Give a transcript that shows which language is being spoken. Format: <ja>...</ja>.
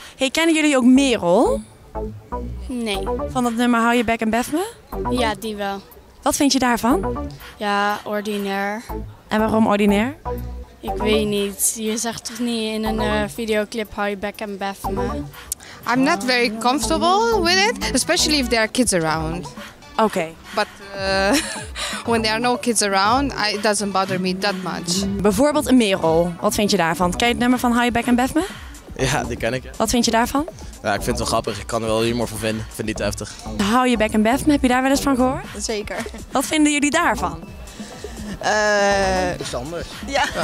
<nl>Hey, kennen jullie ook Merel? Nee. Van dat nummer Hou Je Back en Bef Me? Ja, die wel. Wat vind je daarvan? Ja, ordinair. En waarom ordinair? Ik weet niet. Je zegt toch niet in een videoclip Hou Je Back en Bef Me?</nl> <en>I'm not very comfortable with it, especially if there are kids around. Okay. But when there are no kids around, it doesn't bother me that much.</en> <nl>Bijvoorbeeld een Merel. Wat vind je daarvan? Ken je het nummer van Hou Je Back en Bef Me? Ja, die ken ik. Wat vind je daarvan? Ja, ik vind het wel grappig. Ik kan er wel humor van vinden. Ik vind het niet te heftig. Hou Je Back en Bef Me, heb je daar wel eens van gehoord? Zeker. Wat vinden jullie daarvan? Iets anders. Ja.</nl>